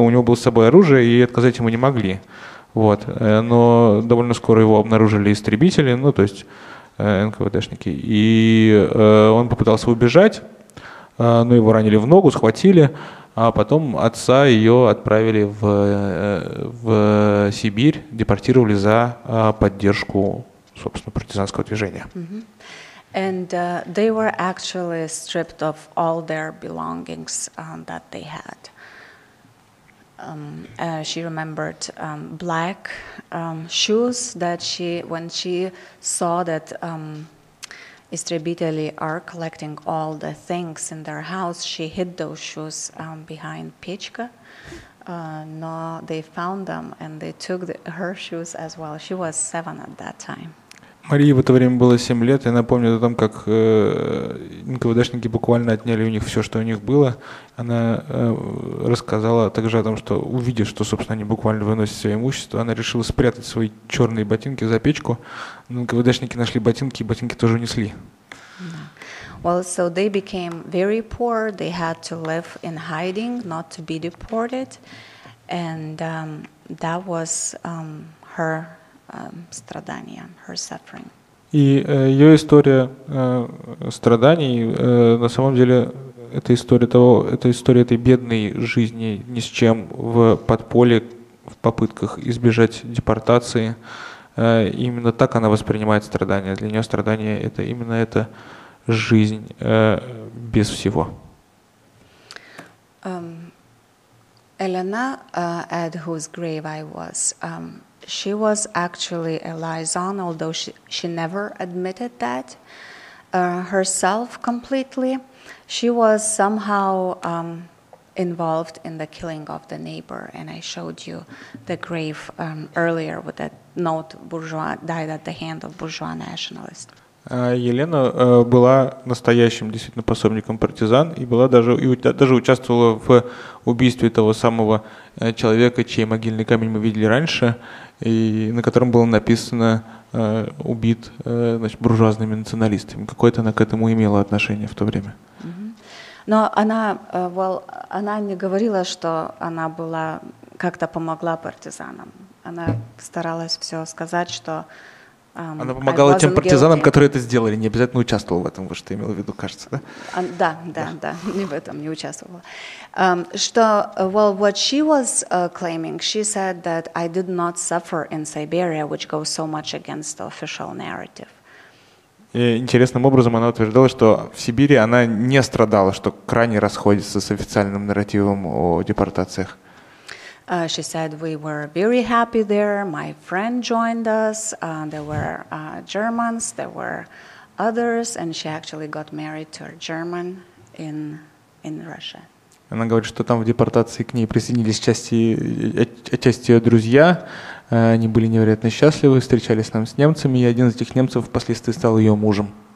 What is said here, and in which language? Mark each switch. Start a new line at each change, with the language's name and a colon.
Russian: У него было с собой оружие, и отказать ему не могли. Вот. Но довольно скоро его обнаружили истребители. Ну, то есть НКВДшники. И он попытался убежать, но его ранили в ногу, схватили, а потом отца ее отправили в Сибирь, депортировали за поддержку, собственно, партизанского движения.
English: And they were actually stripped of all their belongings that they had. She remembered black shoes that she, when she saw that
Russian: истребители
English: are collecting all the things in their house, she hid those shoes behind
Russian: печка.
English: No, they found them and they took her shoes as well. She was 7 at that time.
Russian: Марии в это время было 7 лет, и она помнит о том, как НКВДшники буквально отняли у них все, что у них было. Она рассказала также о том, что, увидев, что, собственно, они буквально выносят свое имущество, она решила спрятать свои черные ботинки за печку. Но НКВДшники нашли ботинки, и ботинки тоже унесли.
English: Well, so they became very poor, they had to live in hiding, not to be deported, and that was her
Russian: страдания,
English: her suffering.
Russian: И ее история страданий, на самом деле, это история того, это история этой бедной жизни ни с чем в подполье, в попытках избежать депортации. Именно так она воспринимает страдания. Для нее страдания – это именно эта жизнь без всего.
English: Elena, at whose grave I was, she was actually a liaison, although she never admitted that herself completely. She was somehow involved in the killing of the neighbor, and I showed you the grave earlier with that note, bourgeois died at the hand of bourgeois nationalist.
Russian: Елена была настоящим действительно пособником партизан и была даже, и даже участвовала в убийстве того самого человека, чей могильный камень мы видели раньше, и на котором было написано «убит значит, буржуазными националистами». Какое-то она к этому имела отношение в то время. Но она,
English: well,
Russian: она не говорила, что она была как-то помогла партизанам. Она старалась все сказать, что она помогала тем партизанам, которые это сделали, не обязательно участвовала в этом, вы что имела в виду, кажется, да? Да, да, да, не в этом не участвовала. Что,
English: well, what she was claiming, she said that I did not suffer in Siberia, which goes so much against the official narrative.
Russian: И интересным образом она утверждала, что в Сибири она не страдала, что крайне расходится с официальным нарративом о депортациях.
English: She said we were very happy there. My friend joined us. There were Germans, there were others, and she actually got married to a German in Russia.
Russian: Она говорит, что там в депортации к ней присоединились части ее друзья. Они были невероятно счастливы, встречались там с немцами, и один из этих немцев впоследствии стал ее мужем.